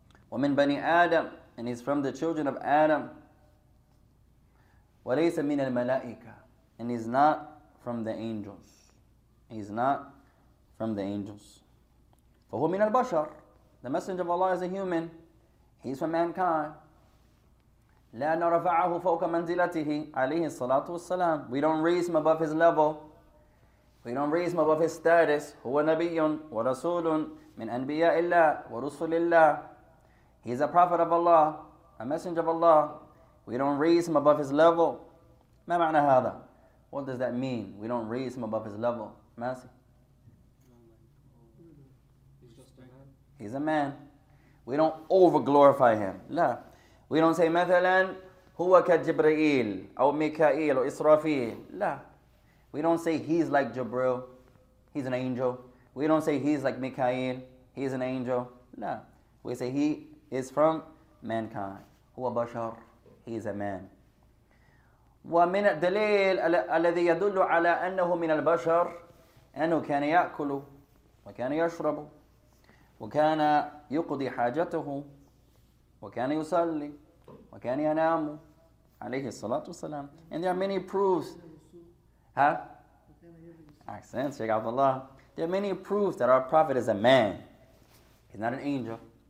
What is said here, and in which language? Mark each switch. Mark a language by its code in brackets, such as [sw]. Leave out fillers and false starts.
[ar] ومن بني آدم, [en] and he's from the children of Adam. [ar] وليس من الملائكة, [en] and he's not from the angels. He's not from the angels. [ar] فهو من البشر. [en] The messenger of Allah is a human. He's from mankind. [ar] لا نرفعه فوق منزلته عليه الصلاة والسلام. [en] We don't raise him above his level. We don't raise him above his status. [ar] هو نبي ورسول من أنبياء الله ورسل الله. [en] He's a prophet of Allah, a messenger of Allah. We don't raise him above his level. [ar] ما معنى هذا? [en] What does that mean? We don't raise him above his level. ماسي. He's a man. We don't over-glorify him. [ar] لا. [en] We don't say [ar] مثلاً هو كجبريل أو ميكائيل أو إسرافيل. لا. [en] We don't say he's like Jibril. He's an angel. We don't say he's like ميكائيل. He's an angel. [ar] لا. [en] We say he is from mankind. [ar] هو بشر. [en] He is a man. [ar] ومن الدليل الذي يدل على أنه من البشر أنه كان يأكل وكان يشرب وكان يقضي حاجته وكان يصلي وكان ينام عليه الصلاة والسلام. [en] And there are many proofs. Huh? Accent, Sheikh Abdullah. There are many proofs that our prophet is a man. He's not an angel.